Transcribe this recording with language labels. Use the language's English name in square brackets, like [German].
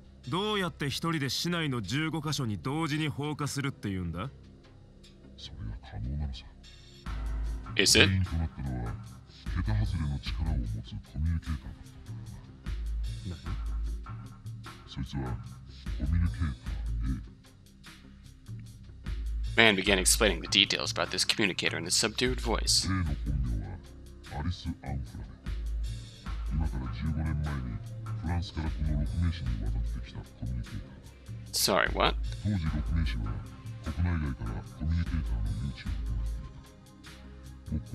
[Japanese] どうやって一人で市内の15箇所に同時に放火するって言うんだ？それは可能なのさ。 [English] Is it? [Japanese] 原因となったのは、桁外れの力を持つコミュニケーターだったのだ。何？そいつは、コミュニケーター A。 [English] Man began explaining the details about this communicator in a subdued voice. [Japanese] A の本名は、アリス・アンフラメ。今から15年前にフランスからこの6名市に渡ってきたコミュニケーターだ。 [English] Sorry, what? [Japanese] 当時6名市は国内外からコミュニケーターの誘致を行っていた。